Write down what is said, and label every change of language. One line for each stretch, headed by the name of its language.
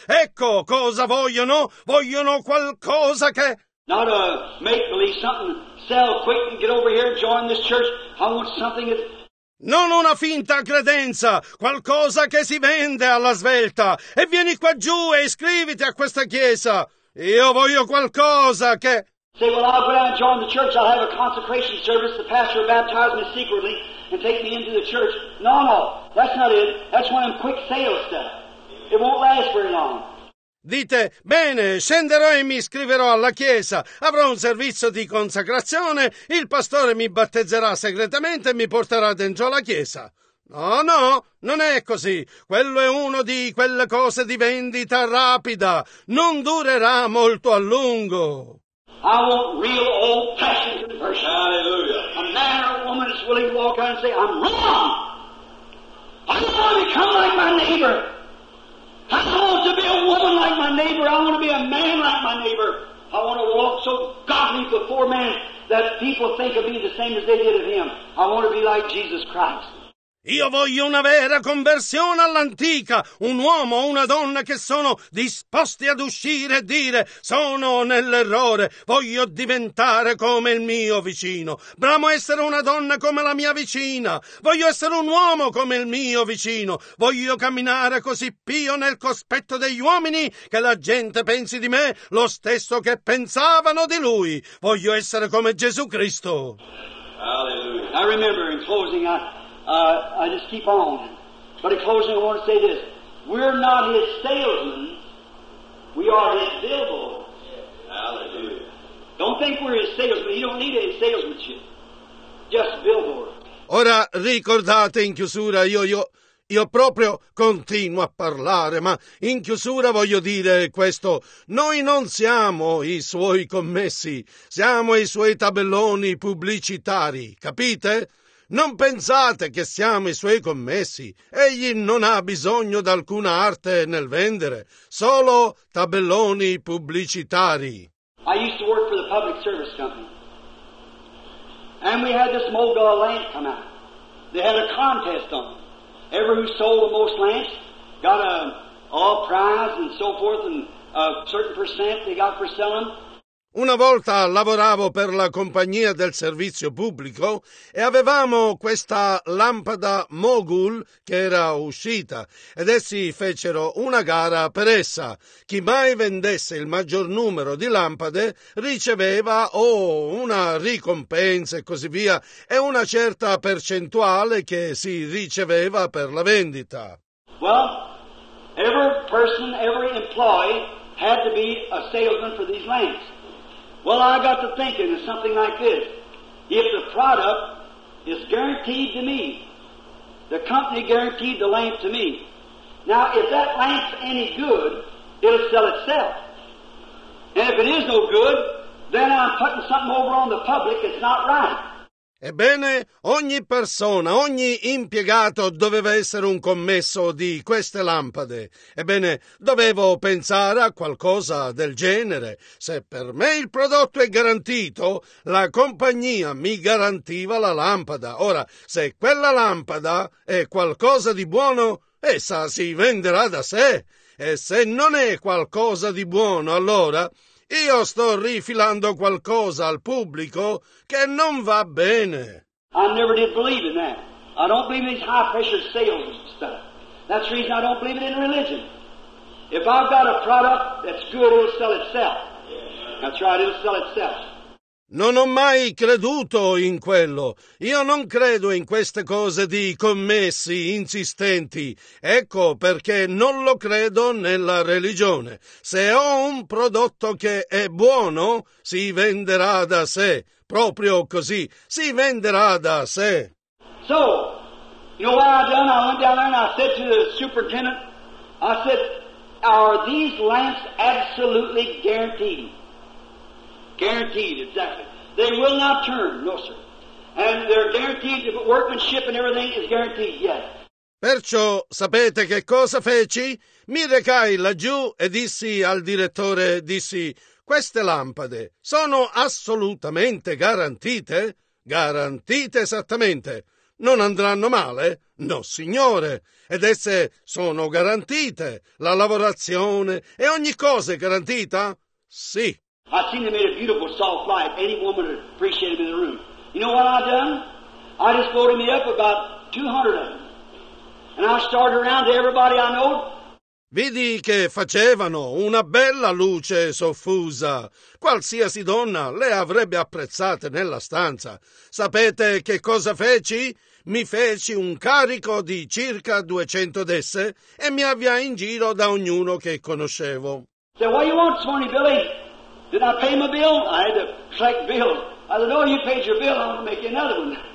Italian: Ecco cosa vogliono. Vogliono qualcosa che...
English: Not a make-believe something, sell quick and get over here and join this church. I want something that...
Italian: Non una finta credenza, qualcosa che si vende alla svelta. E vieni qua giù e iscriviti a questa chiesa. Io voglio qualcosa che...
English: Say, well, I'll go down and join the church. I'll have a consecration service. The pastor will baptize me secretly and take me into the church. No, no, that's not it. That's one of them quick sales stuff. It won't last very long.
Italian: Dite, bene, scenderò e mi iscriverò alla chiesa. Avrò un servizio di consacrazione. Il pastore mi battezzerà segretamente e mi porterà dentro la chiesa. No, no, non è così. Quello è uno di quelle cose di vendita rapida. Non durerà molto a lungo.
English: I want real old passion conversion. Hallelujah. A man or a woman is willing to walk out and say, I'm wrong. I don't want to become like my neighbor. I don't want to be a woman like my neighbor. I want to be a man like my neighbor. I want to walk so godly before men that people think of me the same as they did of him. I want to be like Jesus Christ.
Italian: Io voglio una vera conversione all'antica, un uomo o una donna che sono disposti ad uscire e dire sono nell'errore, voglio diventare come il mio vicino, bramo essere una donna come la mia vicina, voglio essere un uomo come il mio vicino, voglio camminare così pio nel cospetto degli uomini che la gente pensi di me lo stesso che pensavano di lui, voglio essere come Gesù Cristo. Alleluia.
English: I remember in closing, I just keep on. But in closing, I want to say this. We're not his salesmen. We are his billboards. Hallelujah. Don't think we're his salesmen. You don't need any salesmanship. Just billboards.
Italian: Ora ricordate in chiusura, io proprio continuo a parlare, ma in chiusura voglio dire questo: noi non siamo i suoi commessi, siamo i suoi tabelloni pubblicitari, capite? Non pensate che siamo i suoi commessi, egli non ha bisogno d'alcuna arte nel vendere, solo tabelloni pubblicitari.
English: I used to work for the public service company. And we had this Mogul lamp come out. They had a contest on it. Every who sold the most lamps got a prize and so forth, and a certain percent they got for selling.
Italian: Una volta lavoravo per la compagnia del servizio pubblico e avevamo questa lampada Mogul che era uscita ed essi fecero una gara per essa. Chi mai vendesse il maggior numero di lampade riceveva una ricompensa e così via e una certa percentuale che si riceveva per la vendita.
English: Well, every person, every employee had to be a salesman for these lamps. Well, I got to thinking of something like this. If the product is guaranteed to me, the company guaranteed the lamp to me. Now, if that lamp's any good, it'll sell itself. And if it is no good, then I'm putting something over on the public that's not right.
Italian: Ebbene, ogni persona, ogni impiegato doveva essere un commesso di queste lampade. Ebbene, dovevo pensare a qualcosa del genere. Se per me il prodotto è garantito, la compagnia mi garantiva la lampada. Ora, se quella lampada è qualcosa di buono, essa si venderà da sé. E se non è qualcosa di buono, allora io sto rifilando qualcosa al pubblico che non va bene.
English: I never did believe in that. I don't believe in these high pressure sales and stuff. That's the reason I don't believe it in religion. If I've got a product that's good, it'll sell itself. That's right, it'll sell itself.
Italian: Non ho mai creduto in quello. Io non credo in queste cose di commessi insistenti. Ecco perché non lo credo nella religione. Se ho un prodotto che è buono, si venderà da sé. Proprio così. Si venderà da sé.
English: So, you know what I done? I went down there and I said to the superintendent, I said, are these lamps absolutely guaranteed? Guaranteed, exactly. They will not turn, no sir. And they're guaranteed, the workmanship and everything is guaranteed, yes.
Italian: Perciò, sapete che cosa feci? Mi recai laggiù e dissi al direttore, dissi, queste lampade sono assolutamente garantite? Garantite esattamente. Non andranno male? No, signore. Ed esse sono garantite? La lavorazione e ogni cosa è garantita? Sì.
English: I seen them in a beautiful soft light. Any woman would appreciate them in the room. You know what I done? I just loaded me up about 200 of them. And I started around to everybody I know.
Italian: Vidi che facevano una bella luce soffusa. Qualsiasi donna le avrebbe apprezzate nella stanza. Sapete che cosa feci? Mi feci un carico di circa 200 d'esse e mi avviai in giro da ognuno che conoscevo.
English: Say, what do you want, Smoney Billy? Did I pay my bill? I had to collect bills. I said, oh, you paid your bill, I'm going to make you another one.